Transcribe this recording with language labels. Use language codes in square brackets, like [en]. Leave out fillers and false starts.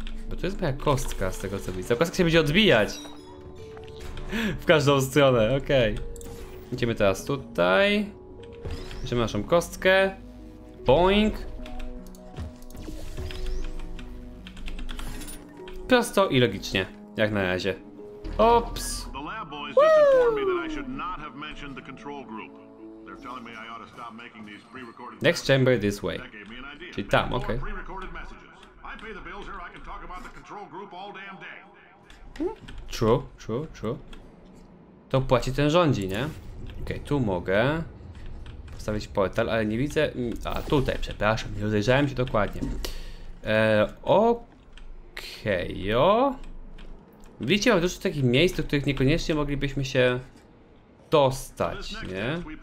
[pl] Bo to jest moja kostka z tego co widzę. Kostka się będzie odbijać w każdą stronę, okej. Okay. Idziemy teraz tutaj. Bierzemy naszą kostkę. Boing. Prosto i logicznie. Jak na razie. Oops. [en] The lab boys just informed me that I should not have mentioned the control group. They're telling me I ought to stop making these pre-recorded. Next chamber this way. Читам, okay. Pre-recorded messages. I pay the bills here, I can talk about the control group all damn day. [pl] True. To płaci ten rządzi, nie? Okej, okay, tu mogę postawić portal, ale nie widzę. A tutaj, przepraszam, nie rozejrzałem się dokładnie. Okej. Okay, widzicie, mam dużo takich miejsc, do których niekoniecznie moglibyśmy się dostać, nie?